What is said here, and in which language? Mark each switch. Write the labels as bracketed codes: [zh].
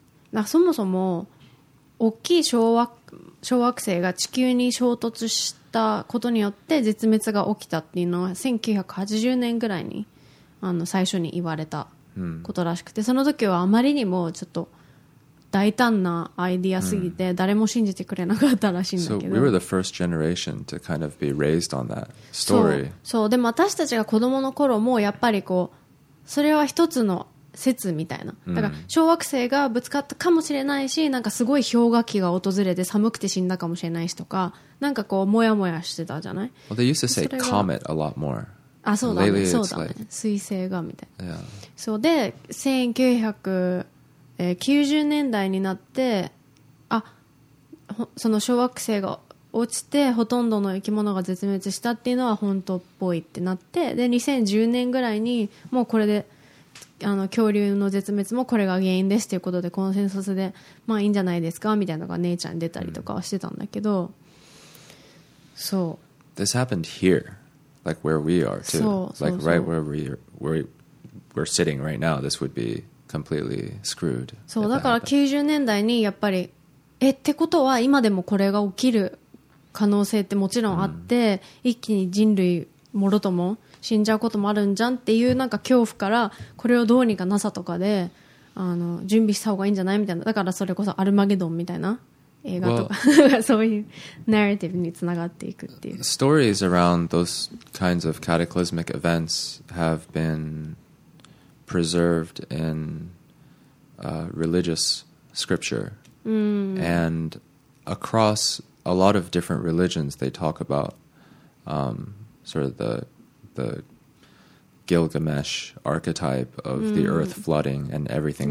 [ja] あのだそもそも大きい小惑星が地球に衝突したことによって絶滅が起きたっていうのは1980年ぐらいにあの最初に言われたことらしくてその時はあまりにもちょっと大胆なアイディアすぎて誰も信じてくれなかったらしいんだけど、 [en] so、we were the first generation to kind of be raised on that story. [ja] そうでも私たちが子供の頃もやっぱりこうそれは一つの説みたいなだから小惑星がぶつかったかもしれないしなんかすごい氷河期が訪れて寒くて死んだかもしれないしとかなんかこうモヤモヤしてたじゃない [en] well, they used to say comet a lot more [ja] あそうだね、 [en] Lately, [ja] そうだね、水星がみたいな。そうで、1990年代になって、あ、その小惑星が落ちてほとんどの生き物が絶滅したっていうのは本当っぽいってなって、で2010年ぐらいにもうこれであの恐竜の絶滅もこれが原因ですということでコンセンサスでまあいいんじゃないですかみたいなのが姉ちゃんに出たりとかしてたんだけど、そう。 [en] This happened here. Like where we are too, like right where we're sitting right now, this would be completely screwed. [ja] そうだから90年代にやっぱりえってことは今でもこれが起きる可能性ってもちろんあって、うん、一気に人類もろとも死んじゃうこともあるんじゃんっていうなんか恐怖からこれをどうにか NASA とかであの準備した方がいいんじゃないみたいなだからそれこそアルマゲドンみたいな。映画とか [en] well, [ja] そういうナラティブにつながっていくっていう [en] Stories around those kinds of cataclysmic events have been preserved in、religious scripture、 mm. and across a lot of different religions they talk about、sort of the Gilgamesh archetype of、mm. the earth flooding and everything